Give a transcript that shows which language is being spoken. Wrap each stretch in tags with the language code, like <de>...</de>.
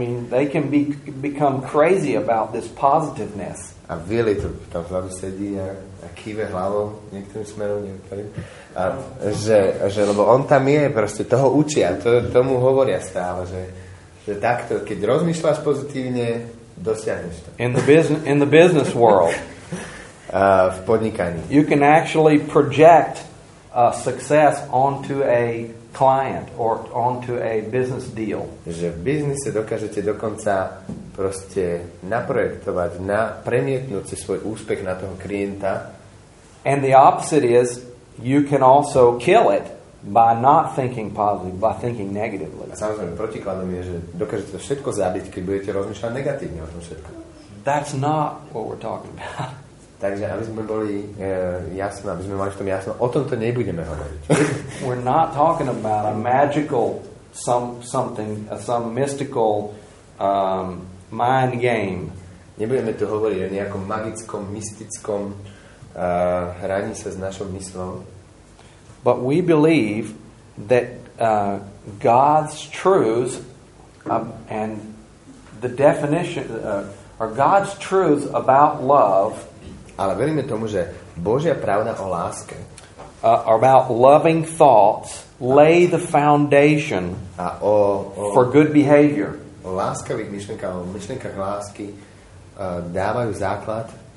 <en>They can become crazy about this positiveness.</en> <sk>A Willy tu tam vzadu sedí a kýve hlavou niektorým smerom, niektorým. A, že lebo on tam je, proste toho učia, tomu hovoria stále, že takto, keď rozmýšľaš pozitívne, dosiahneš to.</sk> <en>In the business world.</en> <sk>V podnikaní.</sk> <en>You can actually project a success onto a client or onto a business deal.</en> <sk>Že v biznise dokážete dokonca proste naprojektovať, premietnúť si svoj úspech na toho klienta.</sk> <en>And the opposite is you can also kill it by not thinking positive, by thinking negatively.</en> <sk>A samozrejme, protikladom je, že dokážete to všetko zabiť, keď budete rozmýšľať negatívne o tom všetko.</sk> <en>That's not what we're talking about.</en> <sk>Takže aby sme boli jasno, aby sme mali v tom jasno, o tom to nebudeme hovoriť.</sk> <en>We're not talking about a magical some mystical mind game.</en> <sk>Nebudeme tu hovoriť o nejakom magickom, mystickom hraní sa s našou mysľou.</sk> <en>But we believe that God's truths and the definition are God's truths about love.</en> <sk>Ale veríme tomu, že Božia pravda o láske</sk> <en>about loving thoughts lay the foundation for good behavior.</en> <sk>O láskavých myšlenkách, o myšlenkách lásky dávajú základ</sk>